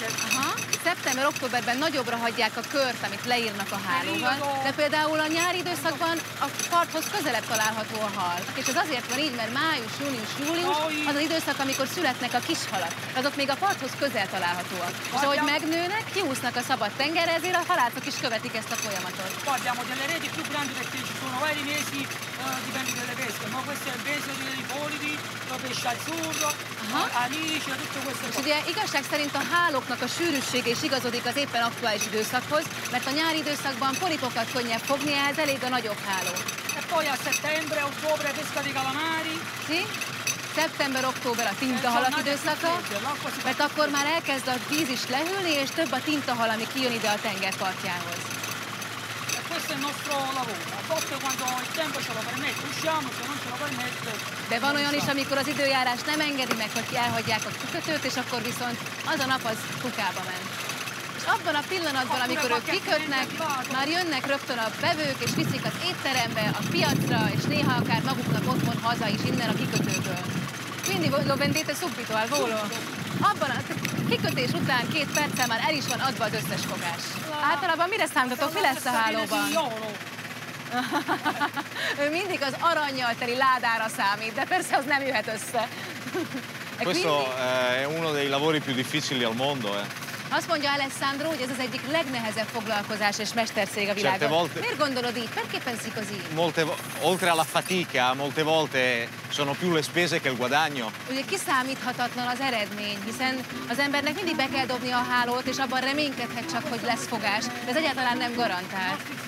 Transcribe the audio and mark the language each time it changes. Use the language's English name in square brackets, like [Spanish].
[Hungarian] Aha. Szeptember-októberben nagyobbra hagyják a kört, amit leírnak a hálóval, de például a nyári időszakban a parthoz közelebb található a hal. És ez azért van így, mert május, június, július az az időszak, amikor születnek a kis halak. Azok még a parthoz közel találhatóak. És ahogy megnőnek, kiúsznak a szabad tengerre, ezért a halászok is követik ezt a folyamatot. [Italian] Guardiamo delle reti più grandi perché ci sono vari mesi dipende dalle pesche, ma questo è il peso dei polipi, lo pesce azzurro, anice, tutto questo. [Hungarian] És ugye igazság szerint a háloknak a sűrűsége is igazodik az éppen aktuális időszakhoz, mert a nyári időszakban polipokat könnyebb fogni, ehhez elég a nagyobb háló. [Italian] E poi a settembre, ottobre, pesca di calamari. Sì? [Hungarian] Szeptember-október a tintahalak időszaka, mert akkor már elkezd a víz is lehűlni, és több a tintahal, ami kijön ide a tengerpartjához. [Italian] questo è il nostro lavoro. A volte quando il tempo ce lo permette usciamo, se non ce lo permette... [Hungarian] De van olyan is, amikor az időjárás nem engedi meg, hogy elhagyják a kikötőt, és akkor viszont az a nap az kukába ment. És abban a pillanatban, amikor ők kikötnek, már jönnek rögtön a bevők, és viszik az étterembe, a piacra, és néha akár maguknak otthon haza is innen a kikötőből. Mindig [Italian] lo vendete subito al volo. [Hungarian] Abban a kikötés után 2 perccel már el is van adva az összes fogás. Általában mire számítotok, mi lesz a hálóban? Ő mindig az arannyal teli ládára számít, de persze az nem jöhet össze. [Italian] Questo è uno dei lavori più difficili al mondo, eh. [Hungarian] Azt mondja Alessandro, hogy ez az egyik legnehezebb foglalkozás és mesterség a világon. [Italian] Volte... [Hungarian] Miért gondolod így? [Italian] Perché pensi così? Molte oltre alla fatica, molte volte sono più le spese che il guadagno. [Hungarian] Ugye kiszámíthatatlan az eredmény, hiszen az embernek mindig be kell dobni a hálót, és abban reménykedhet csak, hogy lesz fogás, de ez egyáltalán nem garantált.